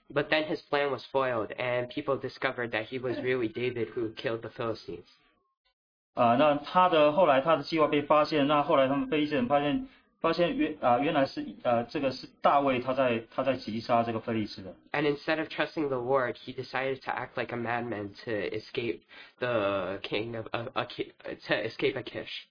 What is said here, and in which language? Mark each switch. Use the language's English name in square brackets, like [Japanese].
[English] But then his plan was foiled, and people discovered that he was really David who killed the Philistines. [Chinese] 那他的后来他的计划被发现，那后来他们非利士人发现。发现原来是大卫他在击杀这个非利士的。 [English] And instead of trusting the Lord, he decided to act like a madman to escape the king of Achish.